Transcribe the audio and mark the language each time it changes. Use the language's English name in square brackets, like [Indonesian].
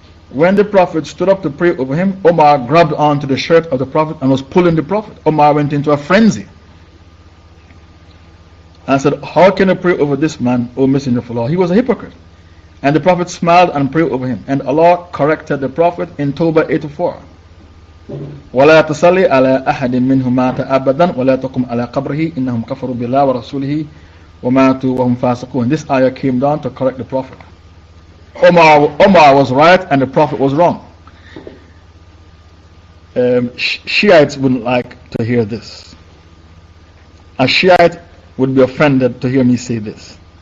[English] When the Prophet stood up to pray over him, Umar grabbed onto the shirt of the Prophet and was pulling the Prophet. Umar went into a frenzy and said, how can I pray over this man, O Messenger of Allah? He was a hypocrite. And the Prophet smiled and prayed over him. And Allah corrected the Prophet in Tawbah 84. [Arabic] ولا تصلي على أحد منهم مات أبدا ولا تقم على قبره إنهم كفروا بالله ورسوله وماتوا وهم فاسقون. [English] This ayah came down to correct the Prophet. Umar was right and the Prophet was wrong. Shiites wouldn't like to hear this. A Shiite would be offended to hear me say this.